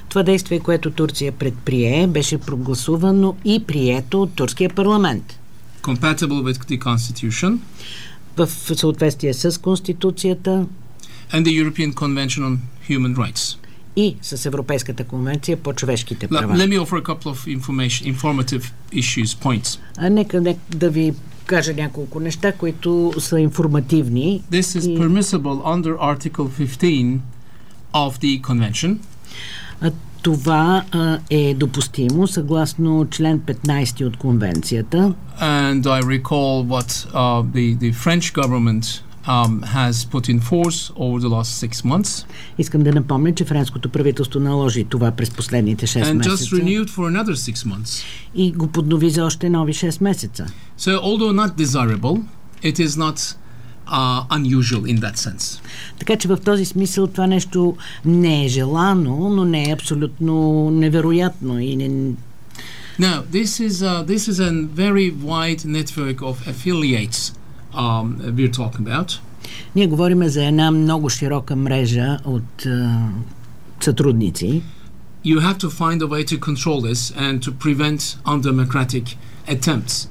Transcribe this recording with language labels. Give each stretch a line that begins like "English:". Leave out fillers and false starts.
Bulgarian: Това действие, което Турция предприе, беше прогласувано и прието от турския парламент.
English: Compatible with the constitution.
Bulgarian: В съответствие с конституцията.
English: And the European Convention on Human Rights.
Bulgarian: И с Европейската конвенция по човешките права.
English: Let me offer a couple of informative issues, points.
Bulgarian: Нека да ви кажа няколко неща, които са информативни.
English: This is permissible under Article 15 of the Convention.
Bulgarian: Това е допустимо съгласно член 15 от конвенцията.
English: And I recall what the French government has put in force over the last 6 months.
Bulgarian: Искам да напомня, че френското правителство наложи това през последните 6 месеца.
English: And just renewed for another 6 months.
Bulgarian: И го поднови за още нови 6 месеца.
English: So although not desirable, it is not unusual in that sense.
Bulgarian: Така че в този смисъл това нещо не е желано, но не е абсолютно невероятно и не.
English: Now, this is a very wide network of affiliates. We're talking about.
Bulgarian: Ние говорим за една много широка мрежа от сътрудници.
English: You have to find a way to control this and to prevent undemocratic attempts.